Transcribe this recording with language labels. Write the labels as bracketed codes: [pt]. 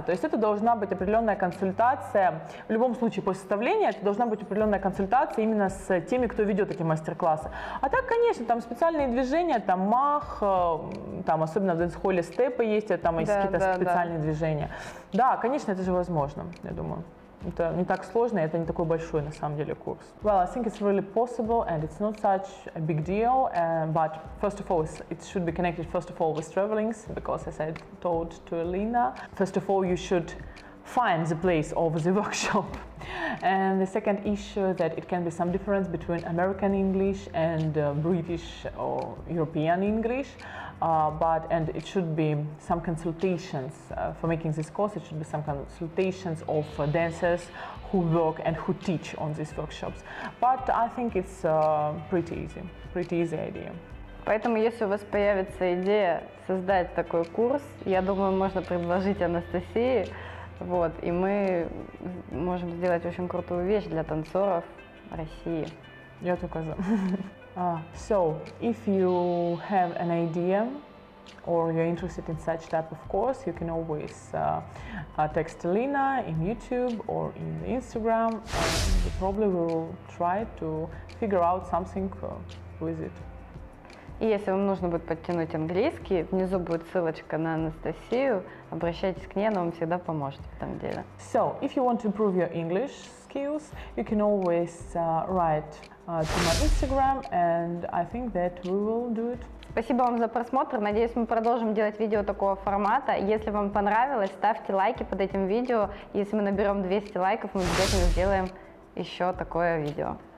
[ru] То есть это должна быть определенная консультация, в любом случае после составления это должна быть определенная консультация именно с теми, кто ведет эти мастер-классы. А так, конечно, там специальные движения, там мах, там особенно в дэнс-холле степы есть, там есть какие-то специальные движения. Да, конечно, это же возможно, я думаю. Это не так сложно, это не такой большой, на самом деле, курс. [en] Well, I think it's really possible, and it's not such a big deal. But first of all, it should be connected, first of all, with traveling, because, as I told to Alina, first of all, you should find the place of the workshop. And the second issue, that it can be some difference between American English and British or European English. And it should be some consultations for making this course. It should be some consultations of dancers who work and who teach on these workshops. But I think it's pretty easy idea. [ru] Поэтому, если у вас появится идея создать такой курс, я думаю, можно предложить Анастасии. Вот, и мы можем сделать очень крутую вещь для танцоров России. Я только за. [en] So, if you have an idea or you're interested in such type of course, you can always text Lina in YouTube or in Instagram, and we probably will try to figure out something with it. [ru] И если вам нужно будет подтянуть английский, внизу будет ссылочка на Анастасию. Обращайтесь к ней, она вам всегда поможет в этом деле. [en] So, if you want to improve your English skills, you can always write to my Instagram, and I think that we will do it. [ru] Спасибо вам за просмотр. Надеюсь, мы продолжим делать видео такого формата. Если вам понравилось, ставьте лайки под этим видео. Если мы наберем 200 лайков, мы обязательно сделаем еще такое видео.